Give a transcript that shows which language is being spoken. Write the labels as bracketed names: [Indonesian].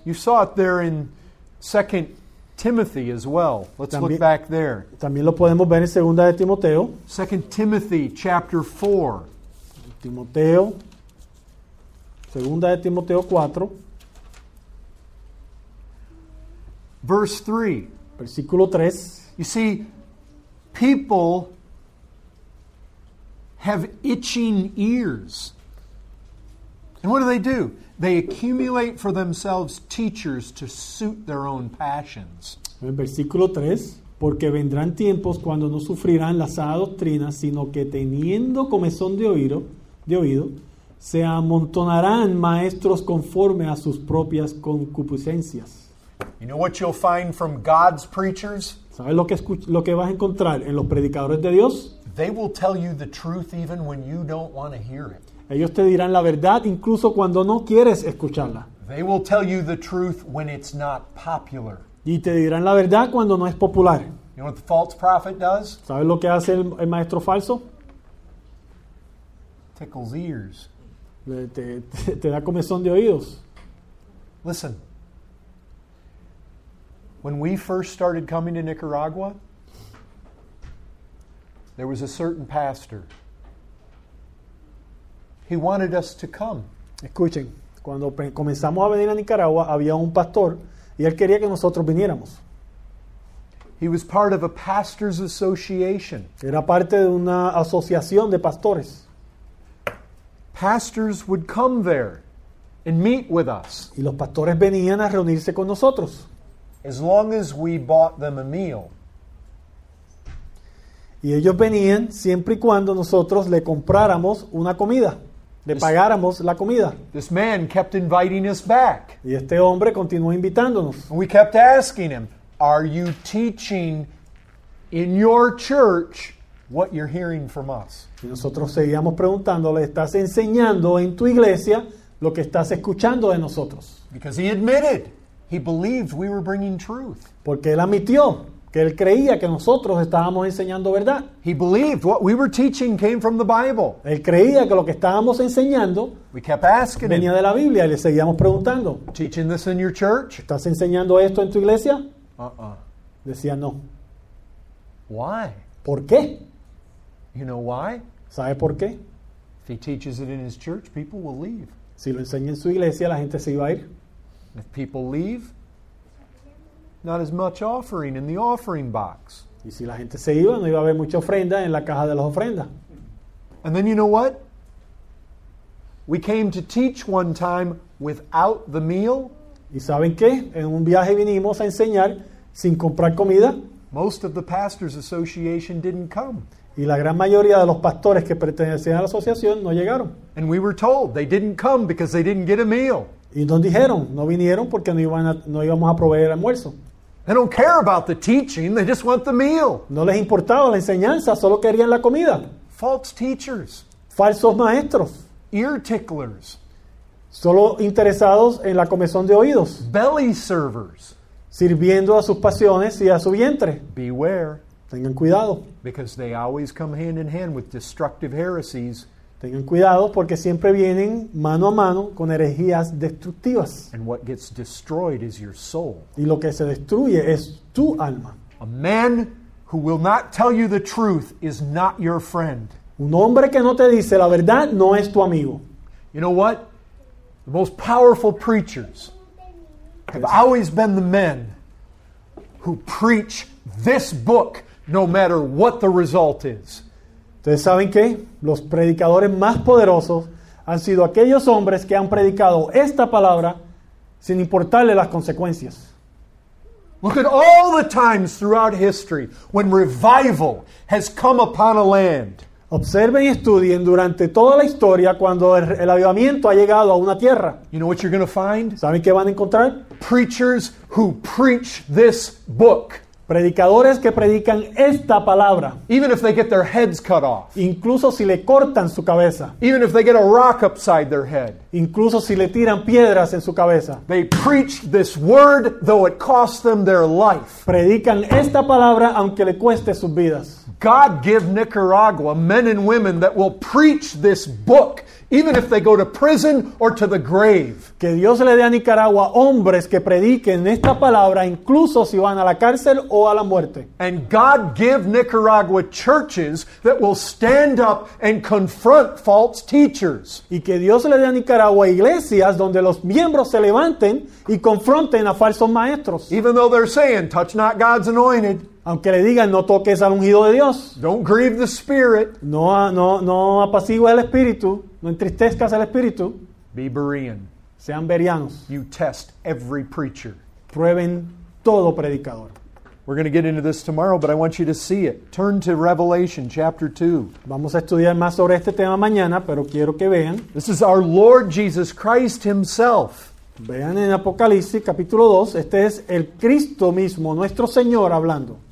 [English] You saw it there in 2 Timothy as well. Let's [Spanish] también, [English] look back there. [Spanish] También lo podemos ver en Segunda de Timoteo. [English] 2 Timothy chapter 4. [Spanish] Timoteo. Segunda de Timoteo 4. [English] Verse 3. [Spanish] Versículo 3. [English] You see, people have itching ears. And what do? They accumulate for themselves teachers to suit their own passions. [Spanish] En versículo 3, porque vendrán tiempos cuando no sufrirán la sana doctrina, sino que teniendo comezón de oído, se amontonarán maestros conforme a sus propias concupiscencias. [English] You know what you'll find from God's preachers? [Spanish] ¿Sabes lo que vas a encontrar en los predicadores de Dios? [English] They will tell you the truth even when you don't want to hear it. [Spanish] Ellos te dirán la verdad incluso cuando no quieres escucharla. [English] They will tell you the truth when it's not popular. [Spanish] Y te dirán la verdad cuando no es popular. [English] You know what the false prophet does? [Spanish] ¿Sabes lo que hace el maestro falso? [English] Tickles ears. [Spanish] Te da comezón de oídos. [English] Listen. When we first started coming to Nicaragua, there was a certain pastor. He wanted us to come. [Spanish] Escuchen, cuando comenzamos a venir a Nicaragua, había un pastor y él quería que nosotros viniéramos. [English] He was part of a pastor's association. [Spanish] Era parte de una asociación de pastores. [English] Pastors would come there and meet with us. [Spanish] Y los pastores venían a reunirse con nosotros. [English] As long as we bought them a meal. [Spanish] Y ellos venían siempre y cuando nosotros le compráramos una comida. Le pagáramos la comida. [English] This man kept inviting us back. [Spanish] Y este hombre continuó invitándonos. [English] And we kept asking him, are you teaching in your church? what you're hearing from us. [Spanish] Y nosotros seguíamos preguntándole, ¿estás enseñando en tu iglesia lo que estás escuchando de nosotros? [English] Because he admitted, he believed we were bringing truth. [Spanish] Porque él admitió que él creía que nosotros estábamos enseñando verdad. [English] He believed what we were teaching came from the Bible. [Spanish] Él creía que lo que estábamos enseñando venía de la Biblia, y le seguíamos preguntando. [English] Teaching this in your church? [Spanish] ¿Estás enseñando esto en tu iglesia? Decía no. [English] Why? [Spanish] ¿Por qué? [English] You know why? [Spanish] ¿Sabe por qué? [English] If he teaches it in his church, people will leave. [Spanish] Si lo enseña en su iglesia, la gente se iba a ir. [English] If people leave, not as much offering in the offering box. [Spanish] Y si la gente se iba, no iba a haber mucha ofrenda en la caja de las ofrendas. [English] And then you know what? We came to teach one time without the meal. [Spanish] ¿Y saben qué? En un viaje vinimos a enseñar sin comprar comida. [English] Most of the pastors' association didn't come. [Spanish] Y la gran mayoría de los pastores que pertenecían a la asociación no llegaron. [English] And we were told they didn't come because they didn't get a meal. [Spanish] Y nos dijeron, no vinieron porque no íbamos a proveer almuerzo. [English] They don't care about the teaching, they just want the meal. [Spanish] No les importaba la enseñanza, solo querían la comida. [English] False teachers. [Spanish] Falsos maestros. [English] Ear ticklers. [Spanish] Solo interesados en la comezón de oídos. [English] Belly servers. [Spanish] Sirviendo a sus pasiones y a su vientre. [English] Beware. [Spanish] Tengan cuidado. [English] Because they always come hand in hand with destructive heresies. [Spanish] Tengan cuidado porque siempre vienen mano a mano con herejías destructivas. [English] And what gets destroyed is your soul. [Spanish] Y lo que se destruye es tu alma. [English] A man who will not tell you the truth is not your friend. [Spanish] Un hombre que no te dice la verdad no es tu amigo. [English] You know what? The most powerful preachers have always been the men who preach this book no matter what the result is. [Spanish] ¿Ustedes saben qué? Los predicadores más poderosos han sido aquellos hombres que han predicado esta palabra sin importarle las consecuencias. [English] Look at all the times throughout history when revival has come upon a land. [Spanish] Observen y estudien durante toda la historia cuando el avivamiento ha llegado a una tierra. [English] You know what you're going to find? [Spanish] ¿Saben qué van a encontrar? [English] Preachers who preach this book. [Spanish] Predicadores que predican esta palabra. [English] Even if they get their heads cut off. [Spanish] Incluso si le cortan su cabeza. [English] Even if they get a rock upside their head. [Spanish] Incluso si le tiran piedras en su cabeza. [English] They preach this word though it costs them their life. [Spanish] Predican esta palabra aunque le cueste sus vidas. [English] God give Nicaragua men and women that will preach this book even if they go to prison or to the grave. [Spanish] Que Dios le dé a Nicaragua hombres que prediquen esta palabra incluso si van a la cárcel o a la muerte. [English] And God give Nicaragua churches that will stand up and confront false teachers. [Spanish] Y que Dios le dé a Nicaragua iglesias donde los miembros se levanten y confronten a falsos maestros. [English] Even though they're saying, touch not God's anointed. [Spanish] Aunque le digan, no toques al ungido de Dios. [English] Don't grieve the spirit. [Spanish] No apacigua el espíritu. No entristezcas al espíritu. [English] Be Berean. [Spanish] Sean Bereanos. [English] You test every preacher. [Spanish] Prueben todo predicador. [English] We're going to get into this tomorrow, but I want you to see it. Turn to Revelation chapter 2. [Spanish] Vamos a estudiar más sobre este tema mañana, pero quiero que vean. [English] This is our Lord Jesus Christ himself. [Spanish] Vean en Apocalipsis capítulo 2, este es el Cristo mismo, nuestro Señor, hablando.